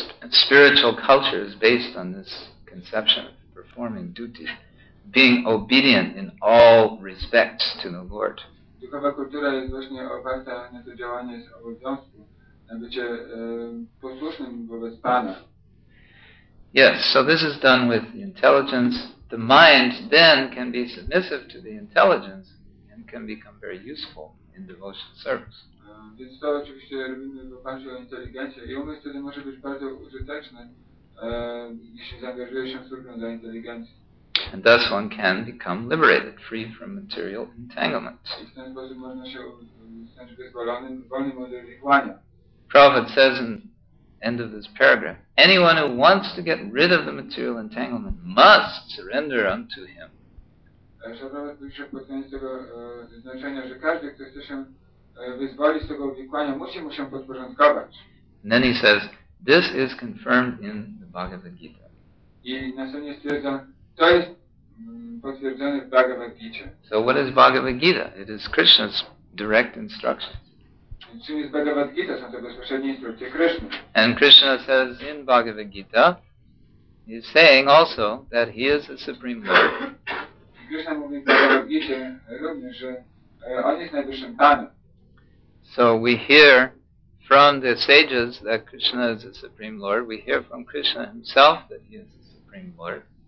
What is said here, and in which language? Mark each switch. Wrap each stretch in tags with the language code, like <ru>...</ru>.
<en>Spiritual culture is based on this conception of performing duty, being obedient in all respects to the Lord.</en> <pl>Duchowa kultura jest właśnie oparta na to działanie z obowiązku, na bycie posłusznym wobec Pana.</pl> <en>Yes, so this is done with the intelligence. The mind then can be submissive to the intelligence and can become very useful in devotional service.</en> <pl>Więc to oczywiście robimy w oparciu o inteligencję i umysł wtedy może być bardzo użyteczny, jeśli zaangażuje się w służbę dla inteligencji.</pl> <en>And thus one can become liberated, free from material entanglement.</en> <pl>I w ten sposób można się stać wyzwolonym, wolnym od uwikłania.</pl> <en>Prophet says in the end of this paragraph, anyone who wants to get rid of the material entanglement must surrender unto him.</en> <pl>Prophet pisze pod koniec tego znaczenia, że każdy, kto chce się wyzwoli z tego uwikłania, musi mu się podporządkować.</pl> <en>And then he says, this is confirmed in the Bhagavad Gita.</en> <pl>I następnie stwierdza, to jest potwierdzone w Bhagavad Gita.</pl> <en>So what is Bhagavad Gita? It is Krishna's direct instructions.</en> <pl>Czym jest Bhagavad Gita? Są to bezpośrednie instrukcje Krishna.</pl> <en>And Krishna says in Bhagavad Gita, he is saying also that he is the Supreme Lord.</en> <pl>Krishna mówi w Bhagavad Gita również, że on jest najwyższym Panem.</pl> <en>So we hear from the sages that Krishna is the Supreme Lord. We hear from Krishna himself that he is the Supreme Lord.</en>